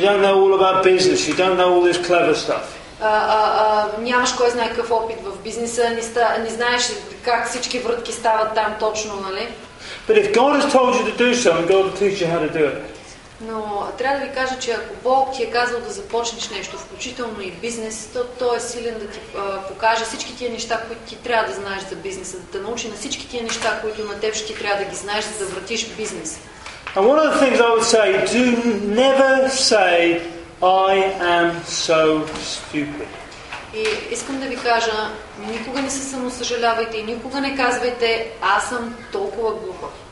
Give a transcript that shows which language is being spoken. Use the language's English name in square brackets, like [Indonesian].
[English] You don't know all about business, you don't know all this clever stuff. [Bulgarian] Нямаш кой знае какъв опит в бизнеса, не знаеш как всички врътки стават там точно, нали? [English] But if God has told you to do something, God will teach you how to do it. [Bulgarian] Но трябва да ви кажа, че ако Бог ти е казал да започнеш нещо, включително и бизнес, то Той е силен да ти покаже всички тия неща, които ти трябва да знаеш за бизнеса, да те научи на всички тия неща, които на теб ще ти трябва да ги знаеш, за да завъртиш бизнес. [English] And one of the things I would say, do never say, I am so stupid. [Bulgarian] И искам да ви кажа, никога не се самосъжалявайте и никога не казвайте, аз съм толкова глупа.